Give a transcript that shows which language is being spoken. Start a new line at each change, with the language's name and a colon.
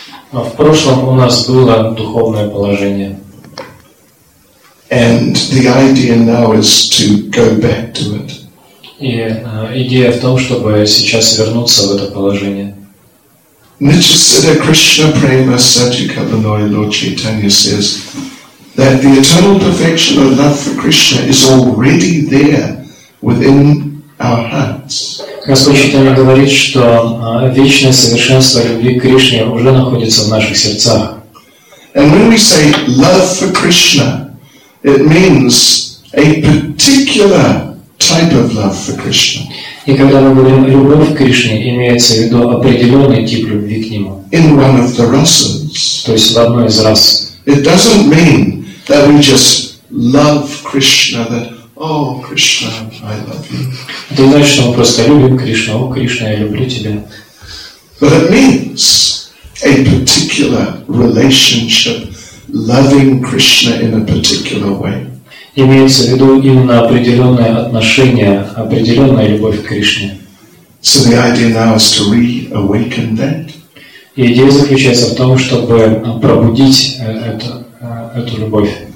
Russian: В прошлом у нас было духовное положение.
English: And the idea now is to go back to it.
Russian: И идея в том, чтобы сейчас вернуться в это положение.
Sanskrit: Nityasiddha Krishna Prema Satyakabhanoya
English: Lord Chaitanya says that the eternal perfection of love for Krishna is already there within our hearts.
Russian: Господь Чайтанья говорит, что вечное совершенство любви к Кришне уже находится в наших сердцах.
English: And when we say love for Krishna, it means a particular type of love for Krishna.
Russian: И когда мы говорим «любовь к Кришне», имеется в виду определенный тип любви к Нему.
English: In one of the rasas.
Russian: То есть в одной из рас.
English: It doesn't mean that we just love Krishna, that, oh, Krishna, I love you.
Russian: Это не значит, что мы просто любим Кришну. О, Кришна, я люблю тебя.
English: But it means a particular relationship, loving Krishna in a particular way.
Russian: Имеется в виду именно определенное отношение, определенная любовь к Кришне.
English: So the idea now is to reawaken that.
Russian: И идея заключается в том, чтобы пробудить эту любовь.